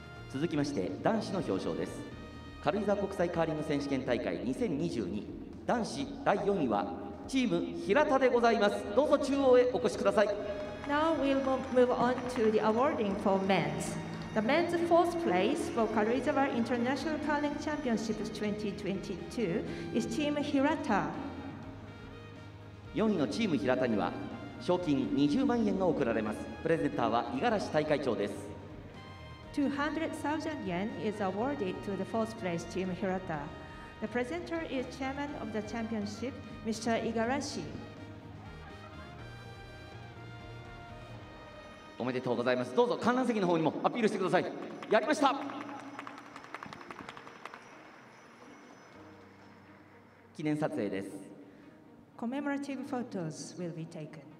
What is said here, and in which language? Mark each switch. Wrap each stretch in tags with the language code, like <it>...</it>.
<ja>続きまして男子の表彰です。軽井沢国際カーリング選手権大会2022男子第4位はチーム平田でございます。どうぞ中央へお越しください。</ja> <en>Now we'll move on to the awarding for men's. The men's fourth place for 軽井沢 International Carling Championship 2022 is Team 平田。</en> <ja>4位のチーム平田には賞金20万円が贈られます。プレゼンターは五十嵐大会長です。</ja> <en>200,000 yen is awarded to the fourth place team Hirata. The presenter is chairman of the championship, Mr. Igarashi.</en> <ja>おめでとうございます。どうぞ観覧席の方にもアピールしてください。やりました。記念撮影です。</ja> <en>Commemorative photos will be taken.</en>